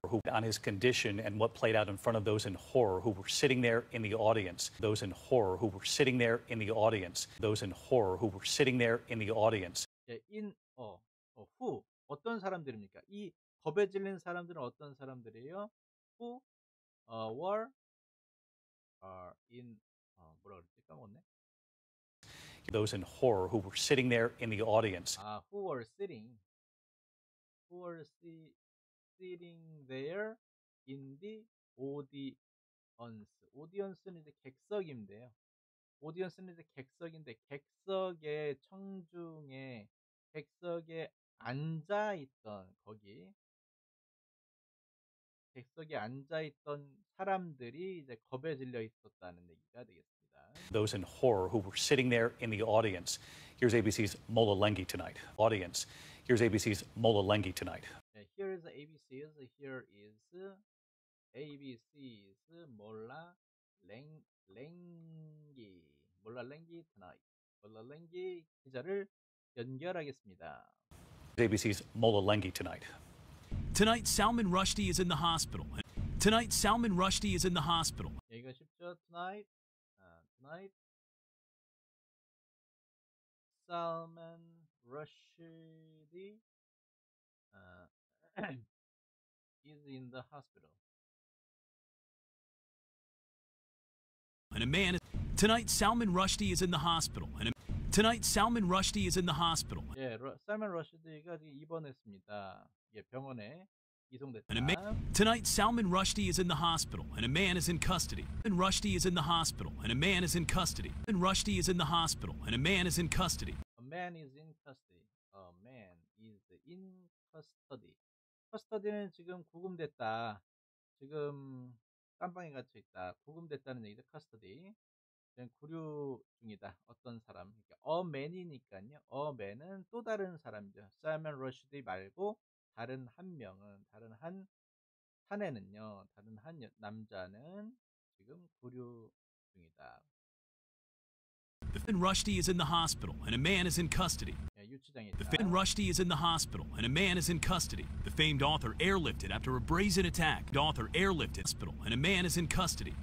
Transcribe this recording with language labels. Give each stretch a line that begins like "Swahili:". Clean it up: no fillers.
English: who on his condition and what played out in front of those in horror who were sitting there in the audience those in horror who were sitting there in the audience those in horror who were sitting there in the audience in who
Korean: 어떤 사람들입니까? 이 겁에 질린 사람들은 어떤 사람들이에요?
English: Who were in
Korean: 뭐라 그랬지? 까먹었네.
English: Those in horror who were sitting there in the audience. 아, who were sitting? Who were sitting there in the audience?
Korean: Audience는 이제 객석인데요. Audience는 이제 객석인데 객석의 청중의 객석의 앉아 있던 거기 객석에 앉아 있던 사람들이 이제 겁에 질려 있었다는 얘기가 되겠습니다.
English: Those in horror who were sitting there in the audience. Here's ABC's Mola Lenghi tonight. Audience. Here's ABC's Mola Lenghi tonight. Here is ABC's. Here is ABC's Mola Lenghi. Mola Lenghi tonight.
Korean: Mola Lenghi 기자를 연결하겠습니다.
English: ABC's Mola Lenghi tonight. Tonight, Salman Rushdie is in the hospital. Tonight, Salman Rushdie is in the hospital.
Korean: 이거 쉽죠?
English: Tonight, tonight, Salman Rushdie is in the hospital. And a man. Tonight, Salman Rushdie is in the hospital. And a Tonight, Salman Rushdie is in the hospital.
Korean: 예, 살만 러시디가 지금 입원했습니다. 예, 병원에 이송됐다.
English: And a man, tonight, Salman Rushdie is in the hospital, and a man is in custody. And Rushdie is in the hospital, and a man is in custody. And Rushdie is in the hospital, and a man is in custody. A man is in custody. A man is in custody.
Korean: Custody는 지금 구금됐다. 지금 감방에 갇혀 있다. 구금됐다는 얘기죠. Custody. 구류 중이다. 어떤 사람. 그러니까 a man이니까요. A man은 또 다른 사람이죠. Salman Rushdie 말고 다른 한 명은 다른 한 사내는요. 다른 한 남자는 지금 구류 중이다.
English: Salman Rushdie is in the hospital and a man is in custody.
Korean: 예, 유치장에 있다.
English: Salman Rushdie is in the hospital and a man is in custody. The famed author airlifted after a brazen attack. The author airlifted hospital and a man is in custody.